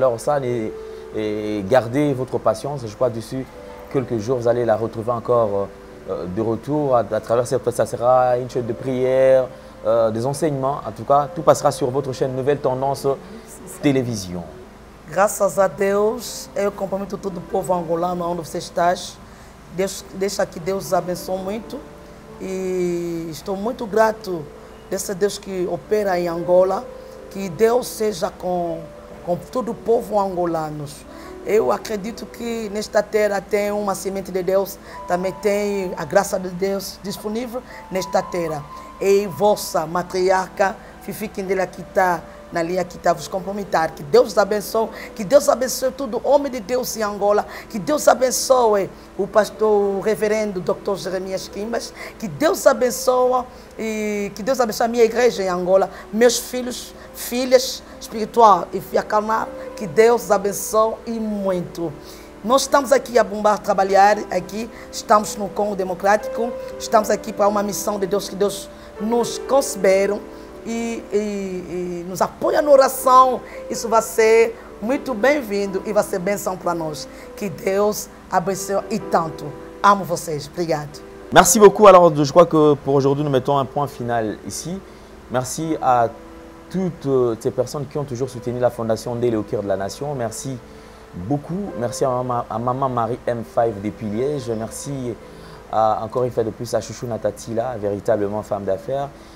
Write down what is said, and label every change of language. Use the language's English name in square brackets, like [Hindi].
[French] Alors ça, gardez votre patience. Je crois d'ici quelques jours, vous allez la retrouver encore de retour à travers cette. Ça sera une chaîne de prières, des enseignements. En tout cas, tout passera sur votre chaîne Nouvelle Tendance Télévision. Grâce à Deus et au compromis tout le peuple angolais dans de ses tâches, [Portuguese] deixa que Deus [French] vous [Portuguese] abençoe muito. E estou muito grato desse Deus que opera em Angola. Que Deus seja com todo o povo angolano. Eu acredito que nesta terra tem uma semente de Deus. Também tem a graça de Deus disponível nesta terra. E vossa matriarca, Fifi Kindela, que está na linha, que está vos comprometendo. Que Deus abençoe. Que Deus abençoe todo homem de Deus em Angola. Que Deus abençoe o pastor, o reverendo Dr. Jeremias Quimbas. Que Deus abençoe. E que Deus abençoe a minha igreja em Angola. Meus filhos, filhas espiritual e filha carnal. Que Deus abençoe e muito. Nós estamos aqui a bombar, trabalhar aqui. Estamos no Congo Democrático. Estamos aqui para uma missão de Deus que Deus nos conceberam. E nos apoia na oração. Isso vai ser muito bem-vindo e vai ser bênção para nós. Que Deus abençoe e tanto. Amo vocês. Obrigado. [French] Merci beaucoup. Alors, je crois que pour aujourd'hui, nous mettons un point final ici. Merci à toutes ces personnes qui ont toujours soutenu la fondation Ndele au cœur de la nation. Merci beaucoup. Merci à maman Marie M5 depuis Liège. Merci encore une fois de plus à Chouchou Natatila, véritablement femme d'affaires.